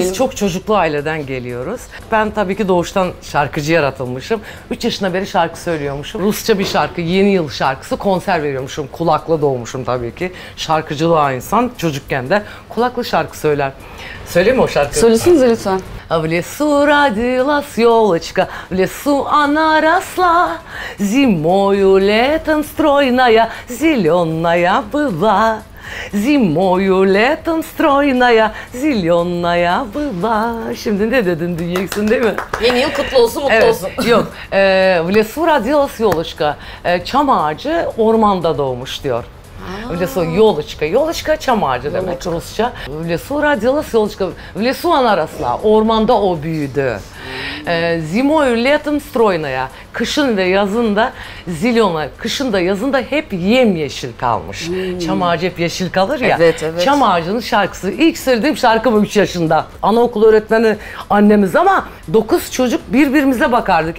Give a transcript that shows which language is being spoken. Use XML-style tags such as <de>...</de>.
<tr>Biz çok çocuklu aileden geliyoruz. Ben tabii ki doğuştan şarkıcı yaratılmışım. 3 yaşına beri şarkı söylüyormuşum. Rusça bir şarkı, yeni yıl şarkısı, konser veriyormuşum. Kulakla doğmuşum tabii ki. Şarkıcılığa insan çocukken de kulaklı şarkı söyler. Söyleyeyim mi o şarkıyı? Söylesinize lütfen.</tr> <ru>В лесу родилась елочка, в лесу она росла. Зимою летом стройная, зеленая была. Зимою летом стройная, зеленая была.</ru> <tr>Şimdi ne dedin, diyeceksin değil mi? Yeni yıl kutlu olsun, mutlu evet, olsun.</tr> <ru>Yok. В лесу родилась елочка.</ru> <tr>Çam ağacı ormanda doğmuş diyor.</tr> <ru>В лесу елочка, елочка</ru> <tr>чам ağacı demek Rusça.</tr> <ru>В лесу родилась елочка, в лесу она росла,</ru> <tr>ормanda o büyüdü.</tr> <ru>Зимою летом стройная,</ru> <tr>kışın ve yazın da</tr> <ru>зеленая,</ru> <tr>kışın da yazın da hep yemyeşil kalmış. Çam ağacı hep yeşil kalır ya. Evet, evet. Çam ağacının şarkısı. İlk söylediğim şarkı bu 3 yaşında. Anaokulu öğretmeni annemiz ama 9 çocuk birbirimize bakardık.</tr>